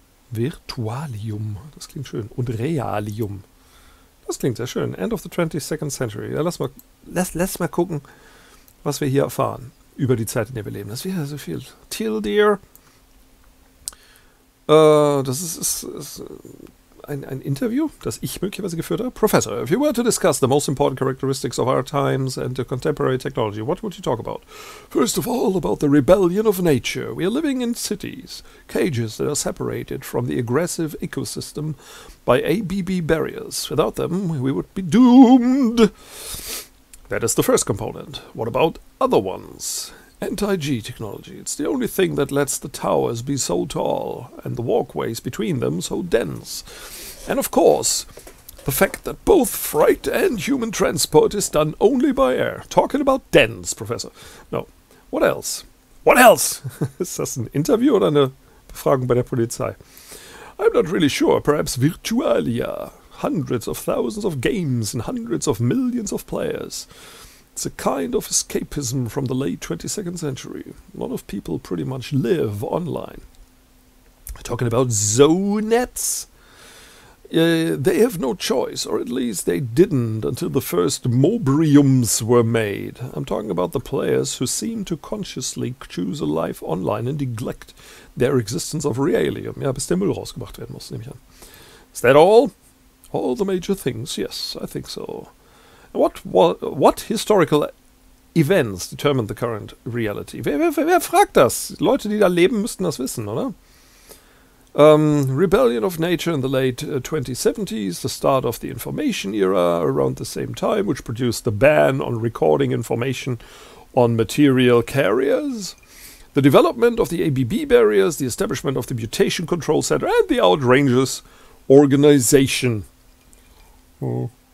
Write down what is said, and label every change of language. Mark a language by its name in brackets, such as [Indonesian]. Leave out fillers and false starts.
[German] Virtualium. Das klingt schön. Und Realium. Das klingt sehr schön. [English] End of the 22nd century. [German] Ja, lass mal gucken, was wir hier erfahren über die Zeit, in der wir leben. Das wäre so viel. Tildir. Das ist ein Interview, das ich möglicherweise geführt habe. [English] Professor, if you were to discuss the most important characteristics of our times and the contemporary technology, what would you talk about? First of all, about the rebellion of nature. We are living in cities, cages that are separated from the aggressive ecosystem by ABB barriers. Without them, we would be doomed. That is the first component. What about other ones? Anti-G technology. It's the only thing that lets the towers be so tall and the walkways between them so dense. And of course, the fact that both freight and human transport is done only by air. Talking about dense, Professor. No. What else? What else? [German] Ist das ein Interview oder eine Befragung bei der Polizei? [English] I'm not really sure. Perhaps Virtualia. Hundreds of thousands of games and hundreds of millions of players. It's a kind of escapism from the late 22nd century. A lot of people pretty much live online. Talking about Zonets? They have no choice, or at least they didn't until the first Mobriums were made. I'm talking about the players who seem to consciously choose a life online and neglect their existence of realium. [German] Ja, bis der Müll rausgebracht werden muss, nehme ich an. [English] Is that all? All the major things? Yes, I think so. What historical events determine the current reality? [German] Wer fragt das? Leute, die da leben, müssten das wissen, oder? [English] Rebellion of nature in the late 2070s, the start of the information era around the same time, which produced the ban on recording information on material carriers. The development of the ABB barriers, the establishment of the mutation control center, and the Outrangers organization. Oh.